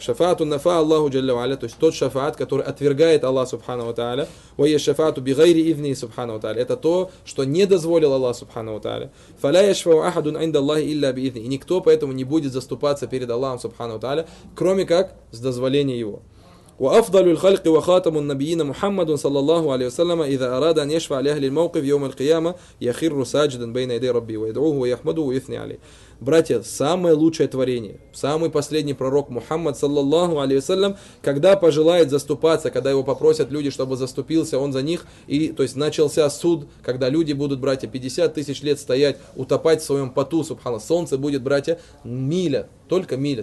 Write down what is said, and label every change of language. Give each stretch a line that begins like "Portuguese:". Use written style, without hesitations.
Arabic: Шафаату нафа Аллаху джалля ва аля,
Russian: то есть тот шафаат, который отвергает Аллах Субхану ва тааля.
Arabic: Ва я шафаату би гайри ивни Субхану ва тааля.
Russian: Это то, что не дозволил Аллах Субхану ва тааля.
Arabic: Фа ля яшфау ахадун инда Аллахи илля би ивни.
Russian: И никто поэтому не будет заступаться перед Аллахом Субхану ва тааля, кроме как с дозволения его.
Arabic: وأفضل الخلق وخاتم النبيين محمد صلى الله عليه وسلم إذا أراد أن يشفع لأهل الموقف يوم القيامة يخر ساجدا بين يدي ربي ويدعوه ويحمده ويثني عليه.
Russian: Братья, самое лучшее творение, самый последний пророк Мухаммад, саллаллаху алейхи ва саллям, когда пожелает заступаться, когда его попросят люди, чтобы заступился он за них, и, то есть начался суд, когда люди будут, братья, 50 тысяч лет стоять, утопать в своем поту, субхана, солнце будет, братья, миля, только миля.